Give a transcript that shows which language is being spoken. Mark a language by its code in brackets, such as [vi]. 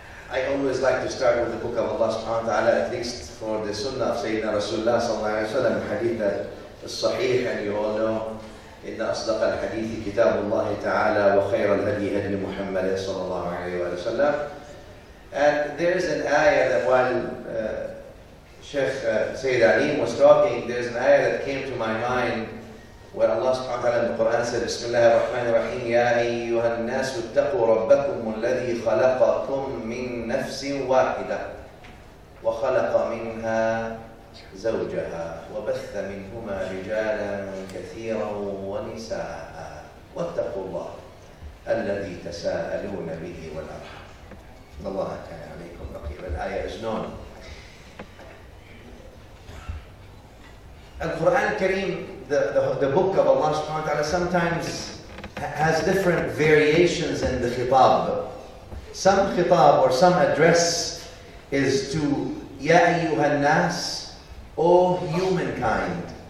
[en] I always like to start with the Book of Allah subhanahu wa ta'ala, at least for the Sunnah of Sayyidina Rasulullah sallallahu alayhi wa sallam, hadith that is sahih, and you all know, [ar] إن أصدق الحديث كتاب الله تعالى وخير الهدي هدي محمد صلى الله عليه وسلم. [en] And there is an ayah that while Sheikh Sayyid Alim was talking, there is an ayah that came to my mind where Allah subhanahu wa ta'ala in the Quran said, [ar] بسم الله الرحمن الرحيم يا أيها الناس اتقوا ربكم الذي خلقكم من نفس واحدة وخلق منها زوجها وبث منهما رجالا كثيرا ونساء واتقوا الله الذي تساءلون به والأرحام الله كان عليكم رقيبا. [en] الآية is known. القرآن الكريم, the book of Allah subhanahu wa ta'ala, sometimes has different variations in the khitab. Some khitab or some address is to [ar] يا أيها الناس, [en] O humankind.